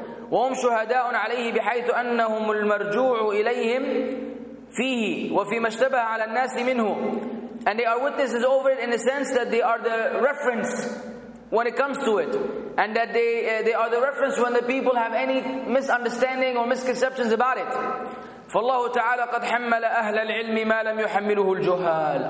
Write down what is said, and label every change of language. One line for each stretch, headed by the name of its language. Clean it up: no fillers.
Arabic: وهم شهداء عليه بحيث أنهم المرجوع إليهم فيه وفي ما اشتبه على الناس منه.
English: And they are witnesses over it in the sense that they are the reference when it comes to it, and that they are the reference when the people have any misunderstanding or misconceptions about it.
Arabic: فالله تعالى قد حمل أهل العلم ما لم يحمله الجهال.